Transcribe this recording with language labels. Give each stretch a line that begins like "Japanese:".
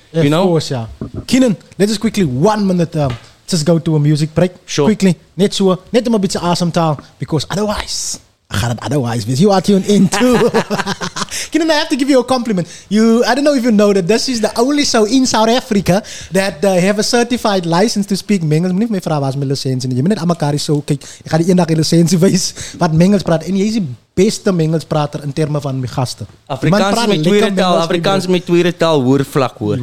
English: Of course. Keenan, let us quickly 1 minute just go to a music break. Sure.
Afrikaans: Quickly, net so, net om 'n bietjie asem te haal,
English: because otherwise, I
Afrikaans: gaan dit
English: otherwise, because you are tuned in too. Keenan, I have to give you a compliment. I don't know if you know that this is the only show in South Africa that have a certified license to speak Mengels.
Afrikaans: Moet nie vir my vra waar is my lisensie nie. Jy moet net almekaar so kyk. Ek gaan die eendag die lisensie wys wat Mengels praat, en jy is die beste Mengels prater in terme van my gaste. Afrikaans met tweede taal hoorvlak hoor.